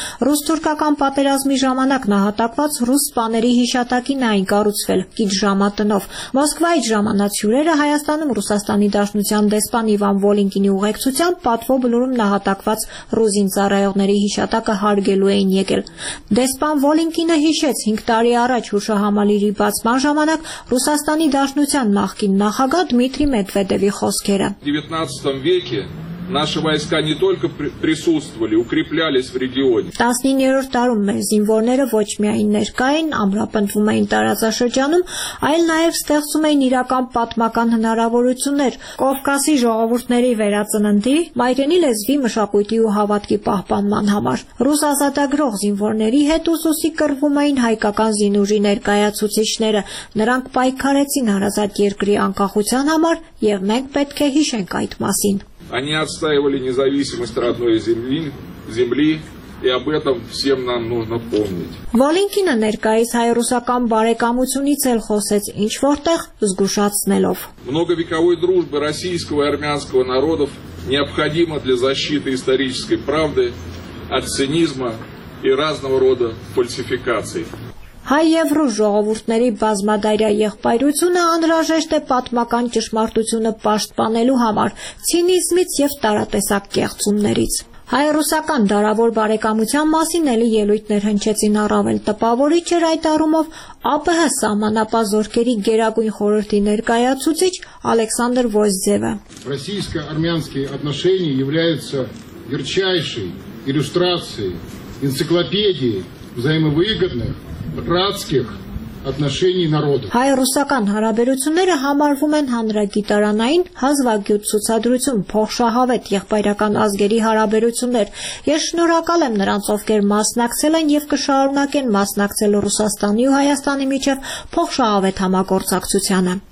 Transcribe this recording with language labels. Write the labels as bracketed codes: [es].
[hy] Ռուս-թուրքական պատերազմի ժամանակ նահատակված ռուս-սպաների հիշատակին այն կառուցվել՝ Կիջ ժամատնով։ Մոսկվայի ժամանած հյուրերը Հայաստանում Ռուսաստանի Դաշնության դեսպան Իվան Վոլինկինի ուղեկցությամբ Պատվո Բլուրում նահատակված ռուզին ծառայողների հիշատակը հարգելու էին եկել։ Դեսպան Վոլինկինը հիշեց 5 տարի առաջ հուշահամալիրի բացման ժամանակ Ռուսաստանի Դաշնության նախկին նախագահ Դմիտրի Մեդվեդևի խոսքերը։ [ru] 19 веке наши войска не только присутствовали, укреплялись в регионе. [hy] 19-րդ դարում մեր զինվորները ոչ միայն ներկա էին, ամրապնդվում էին տարածաշրջանում, այլ նաև ստեղծում էին իրական պատմական հնարավորություններ Կովկասի ժողովուրդների վերածննդի, մայրենի լեզվի, մշակույթի ու հավատքի պահպանման համար։ Ռուս ազատագրող զինվորների հետ ուսուսի կռվում էին հայկական զինուժի ներկայացուցիչները, նրանք պայքարեցին հարազատ երկրի անկախության համար, և մենք պետք է հիշենք այդ մասին։ [ru] Они отстаивали независимость родной земли, и об этом всем нам нужно помнить. [hy] Վոլինկինը ներկայիս հայ-ռուսական բարեկամությունից էլ խոսեց, ինչ որտեղ զգուշացնելով. [ru] Многовековой дружбы российского и армянского народов необходимо для защиты исторической правды от цинизма и разного рода фальсификаций. [hy] Հայ և ռուս ժողովուրդների բազմադայրա եղբայրությունը անհրաժեշտ է պատմական ճշմարտությունը պաշտպանելու համար ցինիզմից և տարատեսակ կեղծումներից։ Հայ-ռուսական դարավոր բարեկամության մասին էլի ելույթներ հնչեցին առավել տպավորիչ էր այդ առումով ԱՊՀ սահմանապազորքերի գերագույն խորհրդի ներկայացուցիչ Ալեքսանդր Վոզձևը։ [ru] Ռուսիա-արմենական հարաբերությունները ярչայշի иллюстрации, энциклопедии взаимовыгодных, братских отношений народов. [hy] Հայ-ռուսական հարաբերությունները համարվում են հանրագիտարանային հազվագյուտ ցուցադրություն, փոխշահավետ եղբայրական ազգերի հարաբերություններ։ Ես շնորհակալ եմ նրանց, ովքեր մասնակցել են եւ կշարունակեն մասնակցել Ռուսաստանի ու Հայաստանի միջև փոխշահավետ համագործակցությանը։